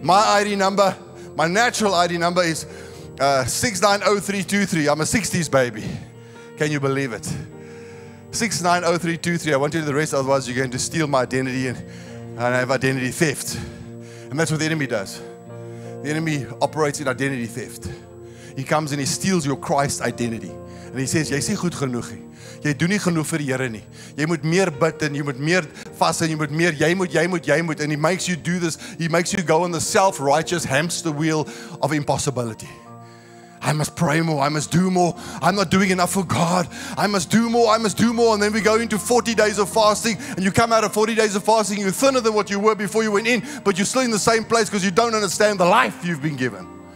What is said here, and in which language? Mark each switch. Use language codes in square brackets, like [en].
[en] My ID number, my natural ID number is 690323. I'm a 60s baby. Can you believe it? 690323. I won't tell you the rest, otherwise you're going to steal my identity and have identity theft. And that's what the enemy does. The enemy operates in identity theft. He comes and he steals your Christ identity. And he says, [af] jy is nie goed genoeg nie. Jy doen nie genoeg vir die Here nie. Jy moet meer bid en jy moet meer vas en jy moet meer, jy moet. [en] And he makes you do this. He makes you go on the self-righteous hamster wheel of impossibility. I must pray more. I must do more. I'm not doing enough for God. I must do more. And then we go into 40 days of fasting, and you come out of 40 days of fasting, you're thinner than what you were before you went in, but you're still in the same place because you don't understand the life you've been given.